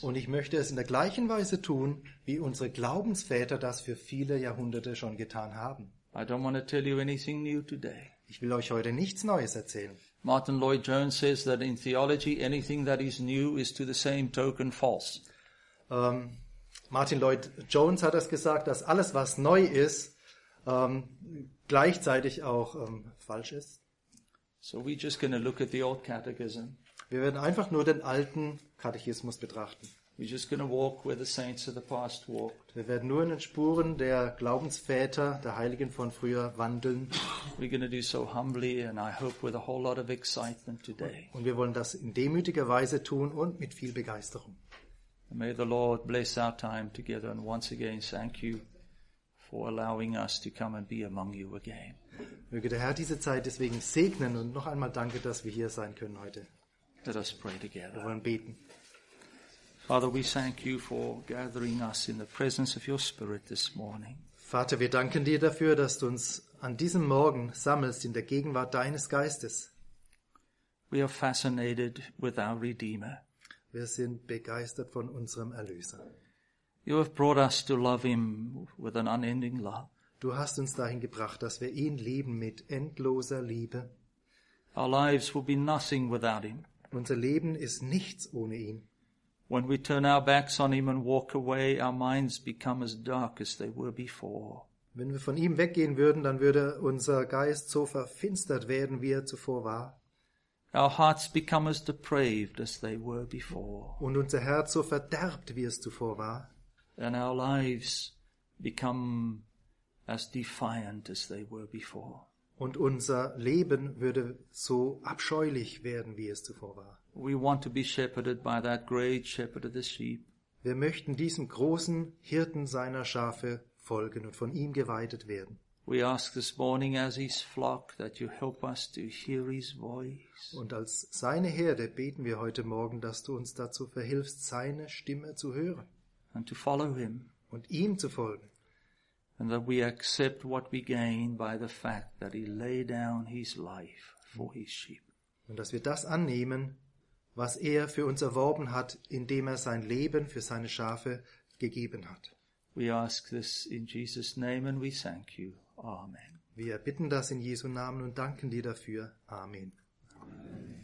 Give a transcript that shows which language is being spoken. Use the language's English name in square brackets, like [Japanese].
[German] Und ich möchte es in der gleichen Weise tun, wie unsere Glaubensväter das für viele Jahrhunderte schon getan haben. [English] I don't want to tell you anything new today. [German] Ich will euch heute nichts Neues erzählen. [English] Martin Lloyd-Jones says that in theology anything that is new is to the same token false. [German] Martin Lloyd-Jones hat das gesagt, dass alles, was neu ist, gleichzeitig auch falsch ist. [English] So we're just going to look at the old catechism. [German] Wir werden einfach nur den alten Katechismus betrachten. [English] We're just going to walk where the saints of the past walked. [German] Wir werden nur in den Spuren der Glaubensväter, der Heiligen von früher wandeln. [English] We're going to do so humbly and I hope with a whole lot of excitement today. [German] Und wir wollen das in demütiger Weise tun und mit viel Begeisterung. [English] May the Lord bless our time together and once again thank you for allowing us to come and be among you again. [German] Möge der Herr diese Zeit deswegen segnen und noch einmal danke, dass wir hier sein können heute. [English] Let us pray together. [German] Wir wollen beten. [English] Father, we thank you for gathering us in the presence of your Spirit this morning. [German] Vater, wir danken dir dafür, dass du uns an diesem Morgen sammelst in der Gegenwart deines Geistes. [English] We are fascinated with our Redeemer. [German] Wir sind begeistert von unserem Erlöser. [English] You have brought us to love him with an unending love. [German] Du hast uns dahin gebracht, dass wir ihn lieben mit endloser Liebe. [English] Our lives will be nothing without him. [German] Unser Leben ist nichts ohne ihn. [English] When we turn our backs on him and walk away, our minds become as dark as they were before. [German] Wenn wir von ihm weggehen würden, dann würde unser Geist so verfinstert werden, wie er zuvor war. [English] Our hearts become as depraved as they were before. [German] Und unser Herz so verderbt, wie es zuvor war. [English] And our lives become as defiant as they were before. [German] Und unser Leben würde so abscheulich werden, wie es zuvor war. [English] We want to be shepherded by that great shepherd of the sheep. [German] Wir möchten diesem großen Hirten seiner Schafe folgen und von ihm geweidet werden. [English] We ask this morning as his flock that you help us to hear his voice. [German] Und als seine Herde beten wir heute Morgen, dass du uns dazu verhilfst, seine Stimme zu hören. [English] And to follow him. [German] Und ihm zu folgen. [English] And that we accept what we gain by the fact that he laid down his life for his sheep. [German] Und dass wir das annehmen, was er für uns erworben hat, indem er sein Leben für seine Schafe gegeben hat. [English] We ask this in Jesus' name and we thank you. Amen. [German] Wir bitten das in Jesu Namen und danken dir dafür. Amen. Amen.